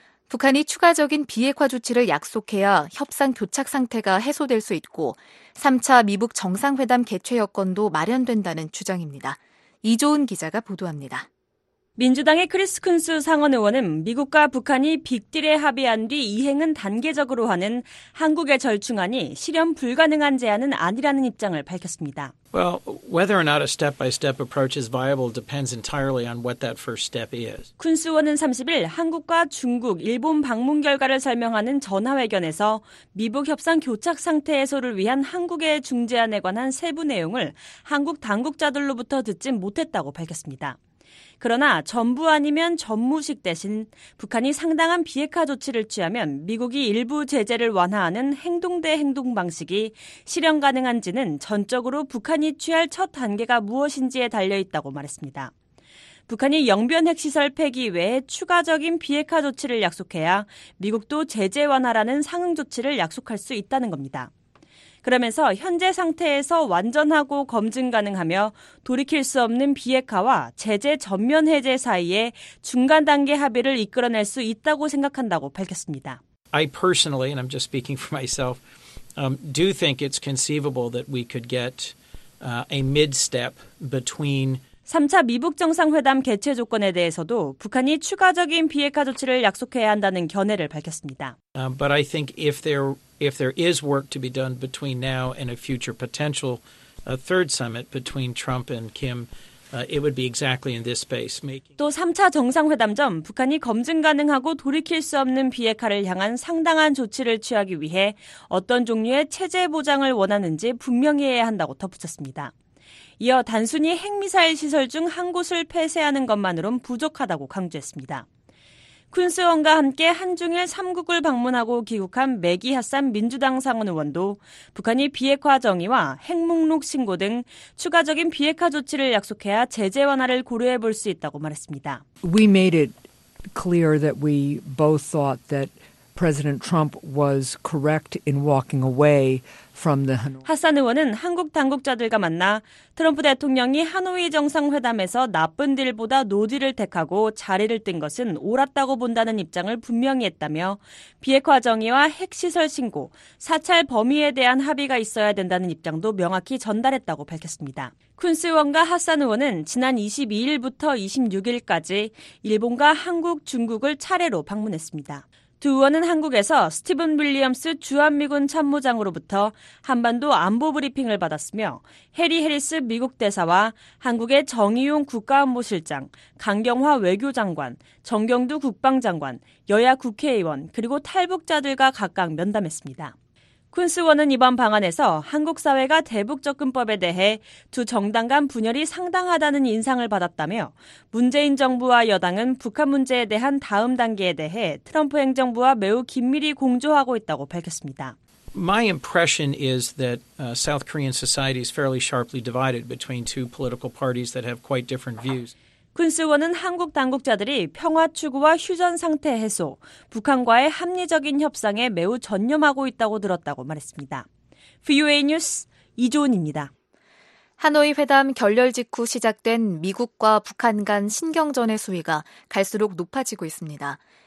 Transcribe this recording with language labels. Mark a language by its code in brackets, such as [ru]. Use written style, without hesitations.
[ko] 북한이 추가적인 비핵화 조치를 약속해야 협상 교착 상태가 해소될 수 있고 3차 미북 정상회담 개최 여건도 마련된다는 주장입니다. 이조은 기자가 보도합니다. 민주당의 크리스 쿤스 상원 의원은 미국과 북한이 빅딜에 합의한 뒤 이행은 단계적으로 하는 한국의 절충안이 실현 불가능한 제안은 아니라는 입장을 밝혔습니다. [en] Well, whether or not a step-by-step approach is viable depends entirely on what that first step is. [ko] 쿤스 의원은 30일 한국과 중국, 일본 방문 결과를 설명하는 전화회견에서 미북 협상 교착 상태 해소를 위한 한국의 중재안에 관한 세부 내용을 한국 당국자들로부터 듣진 못했다고 밝혔습니다. 그러나 전부 아니면 전무식 대신 북한이 상당한 비핵화 조치를 취하면 미국이 일부 제재를 완화하는 행동 대 행동 방식이 실현 가능한지는 전적으로 북한이 취할 첫 단계가 무엇인지에 달려있다고 말했습니다. 북한이 영변 핵시설 폐기 외에 추가적인 비핵화 조치를 약속해야 미국도 제재 완화라는 상응 조치를 약속할 수 있다는 겁니다. 그러면서 현재 상태에서 완전하고 검증 가능하며 돌이킬 수 없는 비핵화와 제재 전면 해제 사이에 중간 단계 합의를 이끌어낼 수 있다고 생각한다고 밝혔습니다. [en] I personally, and I'm just speaking for myself, do think it's conceivable that we could get a mid-step between [ko] 3차 미북 정상회담 개최 조건에 대해서도 북한이 추가적인 비핵화 조치를 약속해야 한다는 견해를 밝혔습니다. [en] But I think if there is work to be done between now and a future potential third summit between Trump and Kim, it would be exactly in this space. [ko] 또 3차 정상회담 전 북한이 검증 가능하고 돌이킬 수 없는 비핵화를 향한 상당한 조치를 취하기 위해 어떤 종류의 체제 보장을 원하는지 분명히 해야 한다고 덧붙였습니다. 이어 단순히 핵미사일 시설 중 한 곳을 폐쇄하는 것만으론 부족하다고 강조했습니다. 쿤스 의원과 함께 한중일 3국을 방문하고 귀국한 매기 핫산 민주당 상원 의원도 북한이 비핵화 정의와 핵목록 신고 등 추가적인 비핵화 조치를 약속해야 제재 완화를 고려해 볼 수 있다고 말했습니다. [en] We made it clear that we both thought that President Trump was correct in walking away from the Hanoi. [ko] 핫산 의원은 한국 당국자들과 만나 트럼프 대통령이 하노이 정상회담에서 나쁜 딜보다 노딜을 택하고 자리를 뜬 것은 옳았다고 본다는 입장을 분명히 했다며 비핵화 정의와 핵시설 신고, 사찰 범위에 대한 합의가 있어야 된다는 입장도 명확히 전달했다고 밝혔습니다. 쿤스 의원과 핫산 의원은 지난 22일부터 26일까지 일본과 한국, 중국을 차례로 방문했습니다. 두 의원은 한국에서 스티븐 윌리엄스 주한미군 참모장으로부터 한반도 안보 브리핑을 받았으며 해리 해리스 미국 대사와 한국의 정의용 국가안보실장, 강경화 외교장관, 정경두 국방장관, 여야 국회의원 그리고 탈북자들과 각각 면담했습니다. 쿤스원은 이번 방안에서 한국 사회가 대북 접근법에 대해 두 정당 간 분열이 상당하다는 인상을 받았다며 문재인 정부와 여당은 북한 문제에 대한 다음 단계에 대해 트럼프 행정부와 매우 긴밀히 공조하고 있다고 밝혔습니다. [en] My impression is that South Korean society is fairly sharply divided between two political parties that have quite different views. [ko] 쿤스원은 한국 당국자들이 평화 추구와 휴전 상태 해소, 북한과의 합리적인 협상에 매우 전념하고 있다고 들었다고 말했습니다. VOA 뉴스 이조은입니다. 하노이 회담 결렬 직후 시작된 미국과 북한 간 신경전의 수위가 갈수록 높아지고 있습니다.